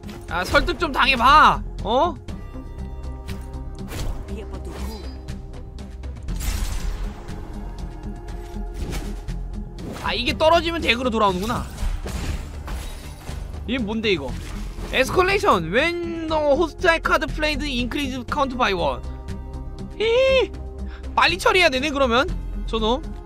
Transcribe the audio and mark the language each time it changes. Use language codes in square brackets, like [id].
[ko] 아 설득 좀 당해봐. 어? 아 이게 떨어지면 덱으로 돌아오는구나. 이게 뭔데 이거? 에스컬레이션. [en] When the hostile card played, increase count by one. [ko] 히 빨리 처리해야 되네 그러면. 저놈.